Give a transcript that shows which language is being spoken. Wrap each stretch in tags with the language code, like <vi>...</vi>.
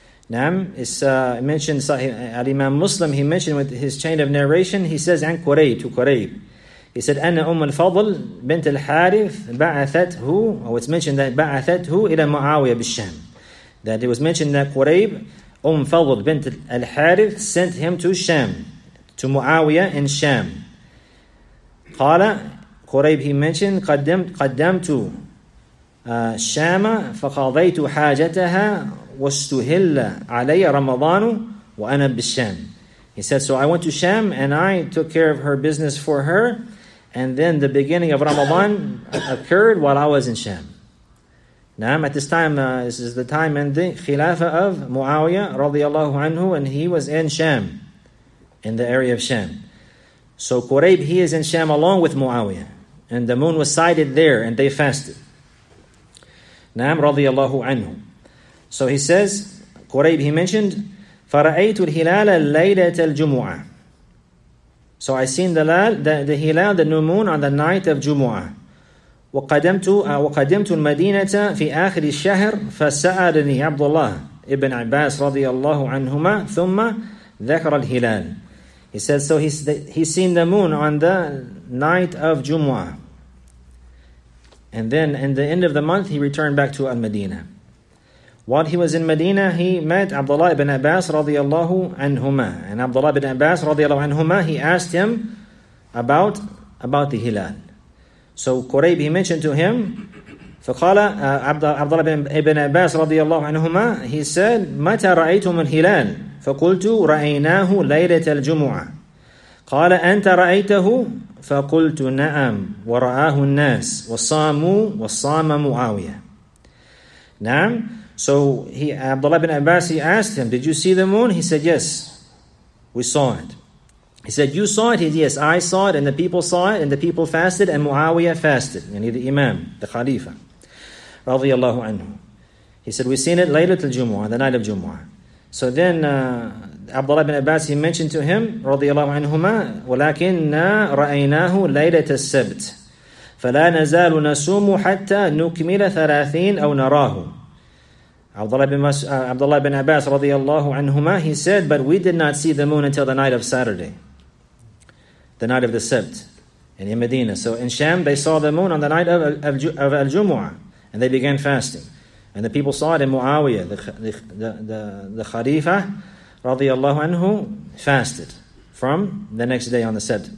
<en>Naam, it's mentioned Sahih al-Imam Muslim. He mentioned with his chain of narration, he says, "An Quraib to Quraib." He said,</en> <ar>"Anna Umm al-Fadl bint al-Harith ba'athathu,"</ar> <en>or it's mentioned that</en> <ar>ba'athathu ila Muawiyah bil-Sham.</ar> <en>That it was mentioned that Quraib, Umm Fadl bint al-Harith, sent him to Sham, to Muawiyah in Sham.</en> <ar>قال قريب,</ar> <en>he mentioned,</en> <ar>قدمت شام فقضيت حاجتها واستهل علي رمضان وأنا بالشام.</ar> <en>He said, so I went to Sham and I took care of her business for her, and then the beginning of Ramadan occurred while I was in Sham. Now at this time, this is the time in the Khilafah of Muawiyah radiallahu anhu, and he was in Sham, in the area of Sham. So Quraib, he is in Sham along with Muawiyah. And the moon was sighted there and they fasted. Naam radiyallahu anhu. So he says, Quraib, he mentioned,</en> <ar>فَرَأَيْتُ الْهِلَالَ لَيْلَةَ الْجُمُعَةِ.</ar> <en>So I seen the hilal, the new moon, on the night of Jumu'ah.</en> <ar>وَقَدَمْتُ الْمَدِينَةَ فِي آخِرِ الشَّهْرِ فَسَأَلَنِي عَبْدُ اللَّهِ ibn Abbas radiyallahu anhuma ثُمَّ ذكر الهلال.</ar> <en>He says, so he's seen the moon on the night of Jumu'ah. And then in the end of the month, he returned back to Al-Madina. While he was in Medina, he met Abdullah ibn Abbas radiallahu anhuma. And Abdullah ibn Abbas radiallahu anhuma, he asked him about the hilal. So Quraib, he mentioned to him,</en> <ar>فَقَالَ Abdullah ibn Abbas radiallahu anhuma,</ar> <en>he said,</en> <ar>مَتَ رَأَيْتُمُ الْهِلَالِ فَقُلْتُ رَأَيْنَاهُ لَيْلَةَ الْجُمُعَةِ قَالَ أَنْتَ رَأَيْتَهُ فَقُلْتُ نَأَمْ وَرَآهُ النَّاسِ وَصَامُوا وَصَامَ مُعَاوِيَةِ. نعم.</ar> <en>So Abdullah ibn Abbas, he asked him, did you see the moon? He said, yes, we saw it. He said, you saw it? He said, yes, I saw it, and the people saw it, and the people fasted, and Muawiyah fasted. And the Imam, the Khalifa, radiallahu anhu. He said, we've seen it Laylatul Jumu'ah, the night of Jumu'ah. So then Abdullah ibn Abbas, he mentioned to him,</en> <ar>radiallahu anhuma, وَلَكِنَّا رَأَيْنَاهُ لَيْلَةَ السَّبْتِ فَلَا نَزَالُ نَسُومُ حَتَّى نُكْمِلَ ثَلَاثِينَ أَوْ نَرَاهُ.</ar> <en>Abdullah ibn Abbas radiallahu anhuma, he said, but we did not see the moon until the night of Saturday, the night of the Sabt in Medina. So in Sham, they saw the moon on the night of Al-Jumu'ah, and they began fasting. And the people saw it in Muawiyah, the Khalifa radiallahu anhu, fasted from the next day on the Sabt.</en>